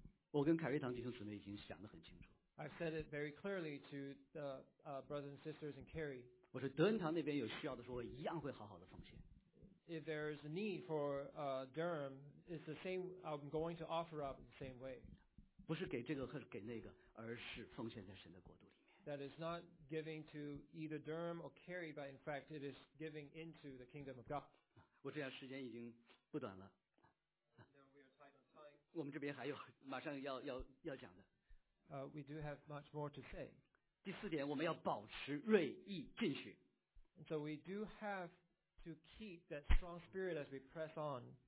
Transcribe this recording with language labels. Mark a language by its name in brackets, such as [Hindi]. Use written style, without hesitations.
[Chinese] 我跟凯瑞堂弟兄姊妹已经想得很清楚。 [English] I've said it very clearly to the brothers and sisters in Cary. [Chinese] 我说德恩堂那边有需要的时候，我一样会好好的奉献。 [English] if there is a need for Durham, it's the same, I'm going to offer up the same way. [Chinese] 不是给这个或者给那个，而是奉献在神的国度里面。 [English] That is not giving to either Durham or Kerry, but in fact it is giving into the kingdom of God. [Chinese] 我这样时间已经不短了。我们这边还有马上要讲的。 [English] We do have much more to say. [Chinese] 第四点，我们要保持锐意进取。 [English] So we do have to keep that strong spirit as we press on.